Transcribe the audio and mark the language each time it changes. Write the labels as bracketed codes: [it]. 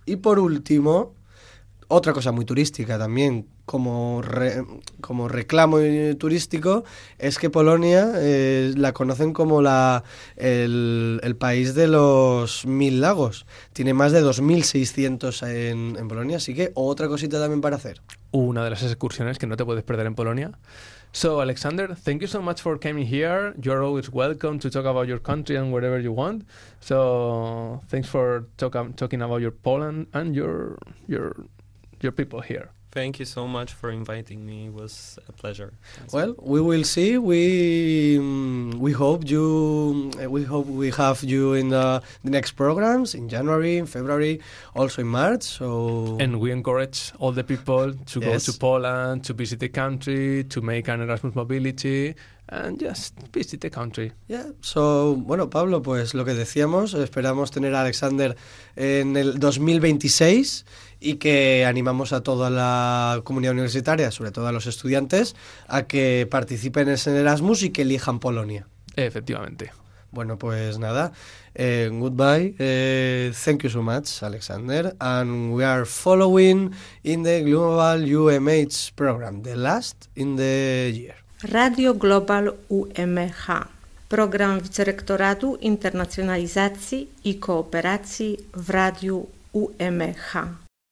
[es] Y por último, otra cosa muy turística también, como reclamo turístico, es que Polonia la conocen como el país de los 1000 lagos. Tiene más de 2.600 en Polonia, así que otra cosita también para hacer. Una de las excursiones que no te puedes perder en Polonia. [en] So, Alexander, thank you so much for coming here. You're always welcome to talk about your country and whatever you want. So, thanks for talking about your Poland and your people here. Thank you so much for inviting me. It was a pleasure. Well, we will see. We hope we have you in the next programs in January, in February, also in March. So, and we encourage all the people to go to Poland, to visit the country, to make an Erasmus mobility. And just visit the country. Yeah, so, [es] bueno, Pablo, pues lo que decíamos, esperamos tener a Alexander en el 2026 y que animamos a toda la comunidad universitaria, sobre todo a los estudiantes, a que participen en Erasmus y que elijan Polonia. Efectivamente. Bueno, pues nada, [en] goodbye, thank you so much, Alexander, and we are following in the Global UMH program, the last in the year. [pl] Radio Global UMH, program Wicerektoratu Internacjonalizacji i Kooperacji w Radiu UMH.